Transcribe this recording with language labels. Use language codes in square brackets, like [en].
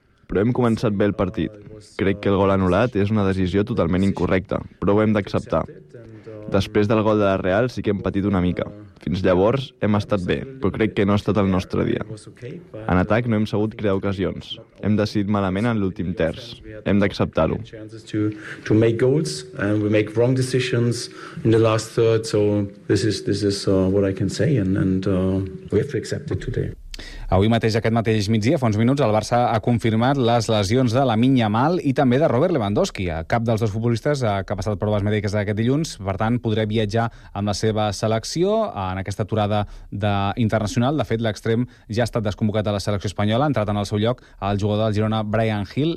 [ca] Però hem començat bé el partit. Crec que el gol anul·lat és una decisió totalment incorrecta, però ho hem d'acceptar. Després del gol de la Real sí que hem patit una mica. Fins llavors hem estat bé, però crec que no ha estat el nostre dia. En atac no hem sabut crear ocasions. Hem decidit malament en l'últim terç. Hem d'acceptar-ho. [en] We have to accept it today. [ca] Avui mateix, aquest mateix migdia, fa uns minuts, el Barça ha confirmat les lesions de Lamine Yamal i també de Robert Lewandowski. Cap dels dos futbolistes que ha passat proves mèdiques d'aquest dilluns, per tant, podrà viatjar amb la seva selecció en aquesta aturada internacional. De fet, l'extrem ja ha estat desconvocat a la selecció espanyola, ha entrat en el seu lloc el jugador del Girona, Brian Hill.